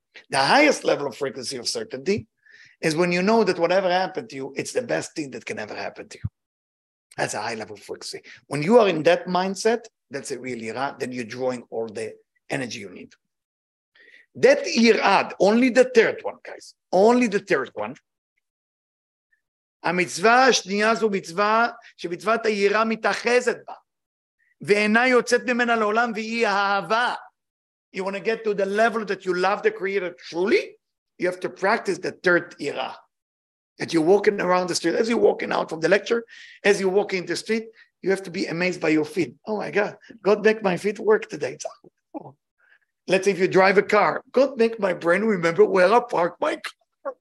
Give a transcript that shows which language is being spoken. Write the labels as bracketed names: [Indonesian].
[English] The highest level of frequency of certainty is when you know that whatever happened to you, it's the best thing that can ever happen to you. That's a high level of frequency. When you are in that mindset, that's a real yirah, then you're drawing all the energy you need. That yirah, only the third one, guys, only the third one. [Hebrew] המצווה השנייה זו מצווה שמצוות היראה מתאחזת בה. ואינה יוצאת ממנה לעולם והיא האהבה. [English] You want to get to the level that you love the creator truly? You have to practice the third ira. That you're walking around the street, as you're walking out from the lecture, as you're walking in the street, you have to be amazed by your feet. Oh my God, God make my feet work today. Let's say if you drive a car, God make my brain remember where I parked my car.